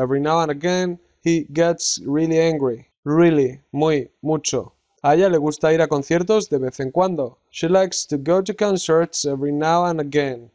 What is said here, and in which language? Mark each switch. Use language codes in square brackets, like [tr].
[en] Every now and again he gets really angry. Really. [es] Muy. Mucho. A ella le gusta ir a conciertos de vez en cuando. [en] She likes to go to concerts every now and again.